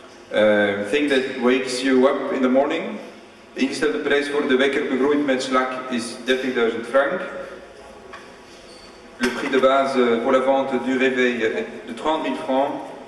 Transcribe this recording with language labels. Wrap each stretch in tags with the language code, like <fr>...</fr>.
<en>Thing that wakes you up in the morning.</en> <nl>De ingestelde prijs voor de wekker begroeid met slak is 30.000 frank.</nl> <fr>Le prix de base pour la vente du réveil est de 30.000 francs.</fr>